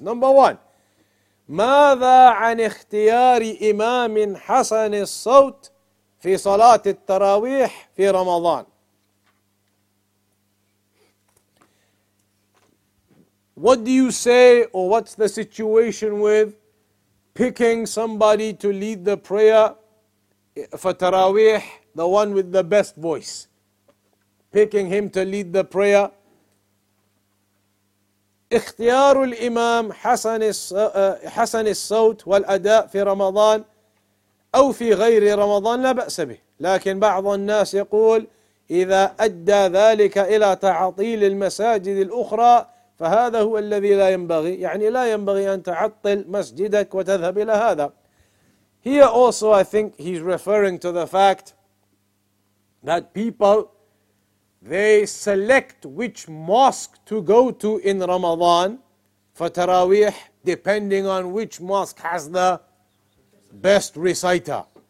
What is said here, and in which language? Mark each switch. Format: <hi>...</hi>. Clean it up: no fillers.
<en>Number one,</en> <ar>ماذا عن اختيار إمام حسن الصوت في صلاة التراويح في رمضان?</ar> <en>What do you say, or what's the situation with picking somebody to lead the prayer for Taraweeh, the one with the best voice? Picking him to lead the prayer.</en> <ar>اختيار الإمام حسن الصوت والأداء في رمضان أو في غير رمضان لا بأس به لكن بعض الناس يقول إذا أدى ذلك إلى تعطيل المساجد الأخرى فهذا هو الذي لا ينبغي يعني لا ينبغي أن تعطل مسجدك وتذهب إلى هذا.</ar> <en>Here also I think he's referring to the fact that people, they select which mosque to go to in Ramadan for Taraweeh depending on which mosque has the best reciter.</en>